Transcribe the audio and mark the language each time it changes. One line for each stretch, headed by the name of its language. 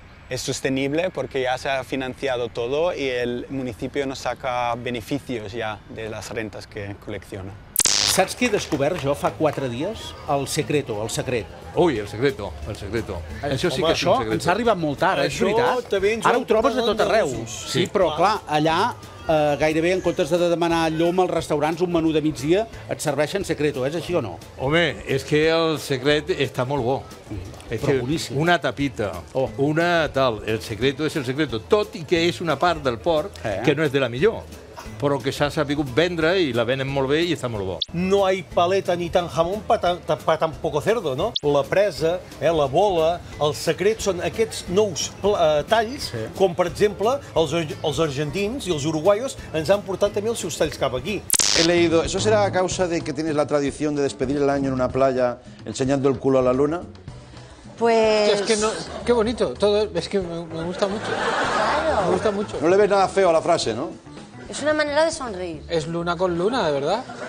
Spanish: Es sostenible porque ya se ha financiado todo y el municipio nos saca beneficios ya de las rentas que colecciona.
Catalan: Saps qui he descobert jo fa 4 dies? El Secreto, el secret. Ui, el Secreto, el Secreto. Això sí, home, que és això un secret. Ens ha arribat molt tard, això, és veritat. Ara ho trobes de tot arreu. Sí, però clar, allà gairebé en comptes de demanar llom als restaurants, un menú de migdia, et serveixen Secreto, és així o no? Home, és que el Secret està molt bo. És però boníssim. Una tapita, una tal, el Secreto és el Secreto, tot i que és una part del porc que no és de la millor. Però que s'ha sabut vendre i la venen molt bé i està molt bo.
Spanish: No hay paleta ni tan jamón pa tan poco cerdo, no?
Catalan: La presa, la bola, el secret són aquests nous talls, sí. Com per exemple els argentins i els uruguaios ens han portat també els seus talls cap aquí.
Spanish: He leído, ¿eso será a causa de que tienes la tradición de despedir el año en una playa enseñando el culo a la luna? Pues... Es que no, qué bonito, todo, es que me gusta mucho. Claro. Me gusta mucho. No le ves nada feo a la frase, ¿no? Es una manera de sonreír. Es luna con luna, de verdad.